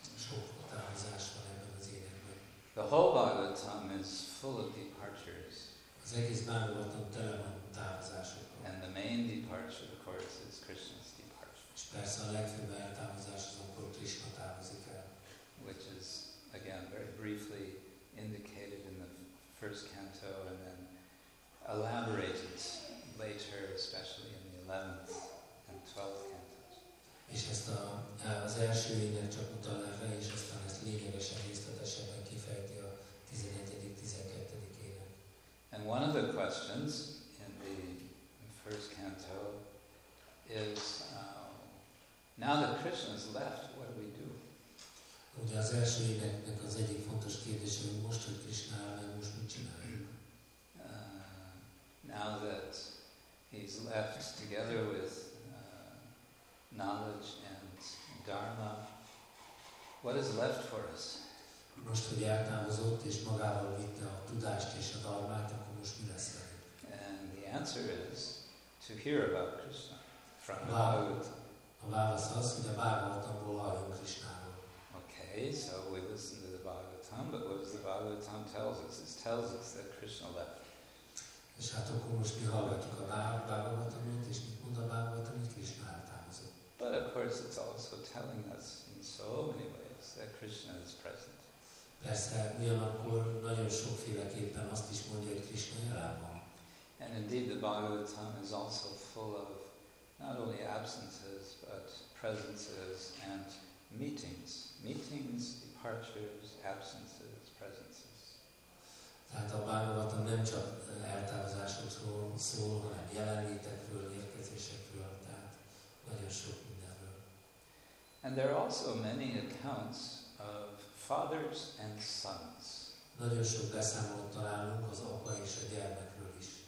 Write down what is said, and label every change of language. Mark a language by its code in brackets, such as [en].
[hu] Sok távozás van ebben az énekben. [en] The whole Bhagavatam is full of departures. [hu] Az egész Bhagavatam tele van távozásokkal. [en] And the main departure, of course, is Krishna's departure. [hu] És persze a legfőbb eltávozás az, amikor Krishna távozik el. [en] Which is, again, very briefly indicated in the first canto and then elaborated later, especially in the 11th and 12th cantos. [hu] És ezt az első ének csak utalára, és aztán ezt lényegesen részletesebben kifejti a 11. 12. ének. [en] And one of the questions in the first canto is now that Krishna has left, what do we do? [hu] Ugye az első éneknek az egyik fontos kérdés, hogy most, hogy Krishna elmegy, most mit csináljuk? [en] Now that he's left together with knowledge and dharma, what is left for us? [hu] Most, hogy eltávozott és magával vitte a tudást és a dharmát, akkor most mi lesz? [en] And the answer is to hear about Krishna from the Bhagavatam. [hu] A válasz az, hogy a Bhagavatamból halljunk Krishnáról. [en] Okay, so we listen to the Bhagavatam, but what does the Bhagavatam tell us? It tells us that Krishna left. [hu] És hát akkor most mi hallgatjuk a Bhagavatamot, és mit mond a Bhagavatam, hogy Krishna eltávozott. [en] But of course it's also telling us in so many ways that Krishna is present. [hu] Persze, ugyanakkor nagyon sokféleképpen azt is mondja, hogy Krishna jelen van. [en] And indeed the Bhagavatam is also full of not only absences, but presences and meetings. Meetings, departures, absences, presences. [hu] Tehát a Bhagavatam nem csak eltávozásokról szól, hanem jelenlétekről, érkezésekről, tehát nagyon sok mindenről. [en] And there are also many accounts of fathers and sons. [hu] Nagyon sok beszámolót találunk az apa és a gyermekről is.